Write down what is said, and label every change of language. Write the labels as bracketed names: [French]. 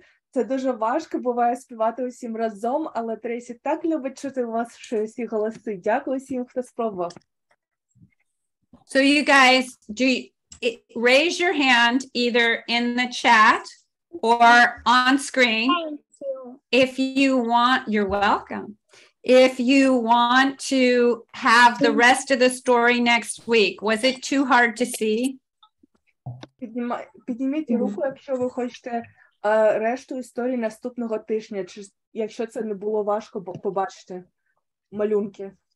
[Ukrainian] Це дуже важко буває співати усім разом, але Тресі так любить чути у вас щось і голоси. Дякую всім, хто спробував. [English] So you guys, raise your hand either in the chat or on screen. Thank you. If you want, you're welcome. If you want to have the rest of the story next week, was it too hard to see? [Ukrainian] Підніміть руку, якщо ви хочете... решту історії наступного тижня, чи якщо це не було важко побачити малюнки.